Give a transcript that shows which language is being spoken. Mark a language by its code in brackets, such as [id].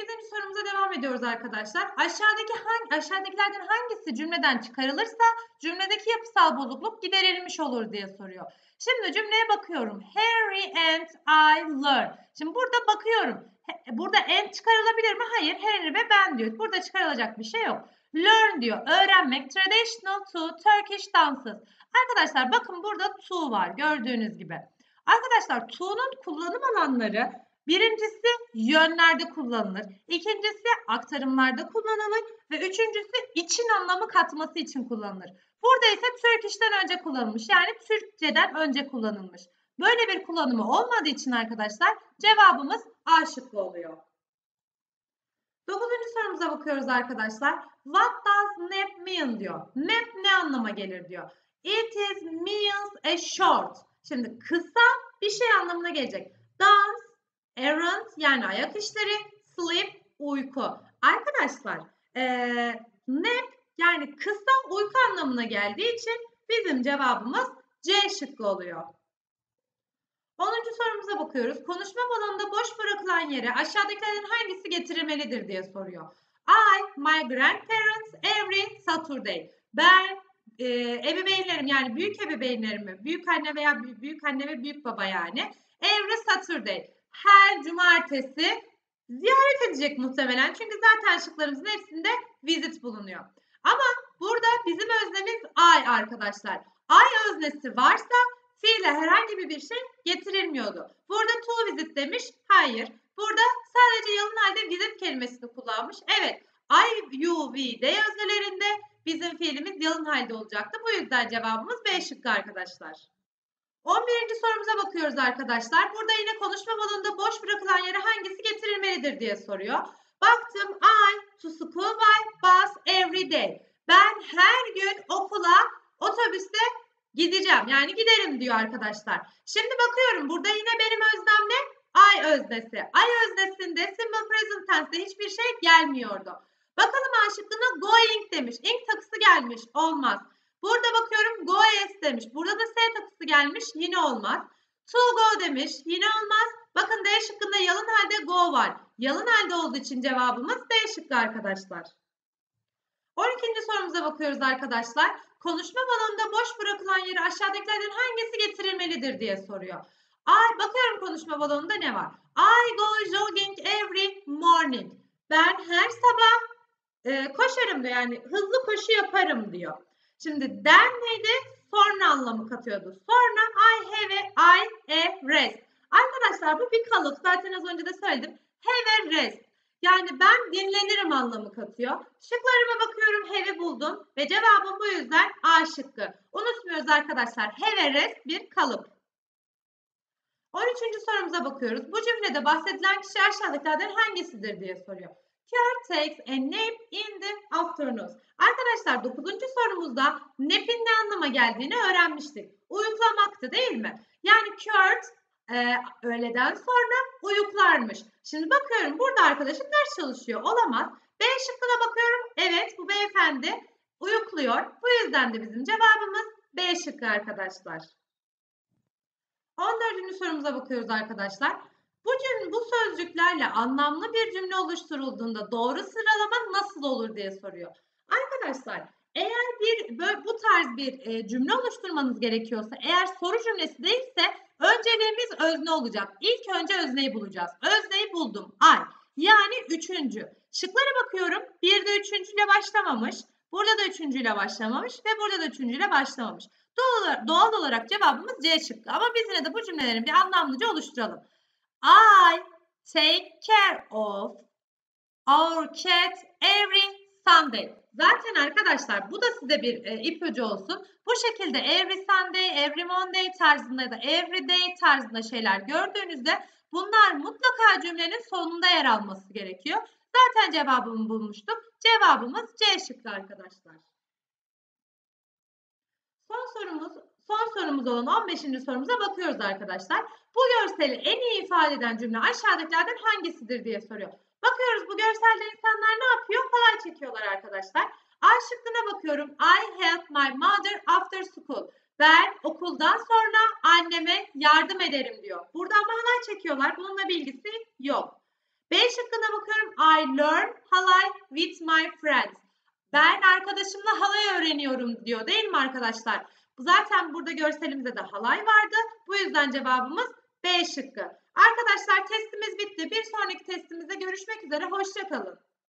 [tr] sorumuza devam ediyoruz arkadaşlar. Aşağıdakilerden hangisi cümleden çıkarılırsa cümledeki yapısal bozukluk giderilmiş olur diye soruyor. Şimdi cümleye bakıyorum. [en] Harry and I learn. [tr] Şimdi burada bakıyorum. Burada and çıkarılabilir mi? Hayır. Harry ve ben diyor. Burada çıkarılacak bir şey yok. Learn diyor. Öğrenmek. [en] Traditional to Turkish dances. [tr] Arkadaşlar bakın burada to var. Gördüğünüz gibi. Arkadaşlar to'nun kullanım alanları birincisi yönlerde kullanılır. İkincisi aktarımlarda kullanılır. Ve üçüncüsü için anlamı katması için kullanılır. Burada ise Turkish'ten önce kullanılmış. Yani Türkçeden önce kullanılmış. Böyle bir kullanımı olmadığı için arkadaşlar cevabımız A şıkkı oluyor. Dokuzuncu sorumuza bakıyoruz arkadaşlar. [en] What does nap mean [tr] diyor. Nap ne anlama gelir diyor. [en] It means a short. [tr] Şimdi kısa bir şey anlamına gelecek. Dance, errand yani ayak işleri, sleep uyku. Arkadaşlar nap yani kısa uyku anlamına geldiği için bizim cevabımız C şıkkı oluyor. 10. sorumuza bakıyoruz. Konuşma alanında boş bırakılan yere aşağıdakilerden hangisi getirilmelidir diye soruyor. [en] I, my grandparents every Saturday. [tr] Ben ebeveynlerim yani büyük ebeveynlerimi, büyük anne veya büyük anne ve büyük baba yani every Saturday. Her cumartesi ziyaret edecek muhtemelen. Çünkü zaten şıklarımızın hepsinde visit bulunuyor. Ama burada bizim öznemiz I arkadaşlar. I öznesi varsa fiile herhangi bir şey getirilmiyordu. Burada to visit demiş. Hayır. Burada sadece yalın halde visit kelimesini kullanmış. Evet. I, you, we, they öznelerinde bizim fiilimiz yalın halde olacaktı. Bu yüzden cevabımız B şıkkı arkadaşlar. 11. sorumuza bakıyoruz arkadaşlar. Burada yine konuşma modunda boş bırakılan yere hangisi getirilmelidir diye soruyor. [en] Baktım I to school by bus every day. [tr] Ben her gün okula otobüste gideceğim. Yani giderim diyor arkadaşlar. Şimdi bakıyorum burada yine benim öznem ne? I öznesi. I öznesinde simple present tense'de hiçbir şey gelmiyordu. Bakalım A şıkkına going demiş. Ink takısı gelmiş. Olmaz. Burada bakıyorum go demiş. Burada da S takısı gelmiş. Yine olmaz. To go demiş. Yine olmaz. Bakın D şıkkında yalın halde go var. Yalın halde olduğu için cevabımız D şıkkı arkadaşlar. 12. sorumuza bakıyoruz arkadaşlar. Konuşma balonunda boş bırakılan yeri aşağıdakilerden hangisi getirilmelidir diye soruyor. Ay bakıyorum konuşma balonunda ne var? [en] I go jogging every morning. [tr] Ben her sabah koşarım diyor. Yani hızlı koşu yaparım diyor. Şimdi then neydi? Sonra anlamı katıyordu. Sonra [en] I have a rest. [tr] Arkadaşlar bu bir kalıp. Zaten az önce de söyledim. [en] Have a rest. [tr] Yani ben dinlenirim anlamı katıyor. Şıklarıma bakıyorum. Have'i buldum. Ve cevabım bu yüzden A şıkkı. Unutmuyoruz arkadaşlar. [en] Have a rest [tr] bir kalıp. 13. sorumuza bakıyoruz. Bu cümlede bahsedilen kişi aşağıdakilerden hangisidir diye soruyor. [en] Care takes a nap in the afternoon. [tr] Arkadaşlar 9. sorumuzda nap'in ne anlama geldiğini öğrenmiştik. Uyuklamaktı değil mi? Yani Kurt öğleden sonra uyuklarmış. Şimdi bakıyorum burada arkadaşım ders çalışıyor. Olamaz. B şıkkına bakıyorum. Evet bu beyefendi uyukluyor. Bu yüzden de bizim cevabımız B şıkkı arkadaşlar. 14. sorumuza bakıyoruz arkadaşlar. Bu sözcüklerle anlamlı bir cümle oluşturulduğunda doğru sıralama nasıl olur diye soruyor. Arkadaşlar eğer bu tarz bir cümle oluşturmanız gerekiyorsa, eğer soru cümlesi değilse önceliğimiz özne olacak. İlk önce özneyi bulacağız. Özneyi buldum. I. Yani üçüncü. Şıklara bakıyorum. Bir de üçüncüyle başlamamış. Burada da üçüncüyle başlamamış. Ve burada da üçüncüyle başlamamış. Doğal olarak cevabımız C şıkkı. Ama biz yine de bu cümlelerin bir anlamlıca oluşturalım. [en] I take care of our cat every Sunday. [tr] Zaten arkadaşlar bu da size bir ipucu olsun. Bu şekilde every Sunday, every Monday tarzında ya da every day tarzında şeyler gördüğünüzde bunlar mutlaka cümlenin sonunda yer alması gerekiyor. Zaten cevabımı bulmuştum. Cevabımız C şıkkı arkadaşlar. Son sorumuz. Son sorumuz olan 15. sorumuza bakıyoruz arkadaşlar. Bu görseli en iyi ifade eden cümle aşağıdakilerden hangisidir diye soruyor. Bakıyoruz bu görselde insanlar ne yapıyor? Halay çekiyorlar arkadaşlar. A şıkkına bakıyorum. [en] I help my mother after school. [tr] Ben okuldan sonra anneme yardım ederim diyor. Buradan mı halay çekiyorlar? Bununla bir ilgisi yok. B şıkkına bakıyorum. [en] I learn halay with my friends. [tr] Ben arkadaşımla halay öğreniyorum diyor, değil mi arkadaşlar? Zaten burada görselimizde de halay vardı. Bu yüzden cevabımız B şıkkı. Arkadaşlar testimiz bitti. Bir sonraki testimizde görüşmek üzere. Hoşça kalın.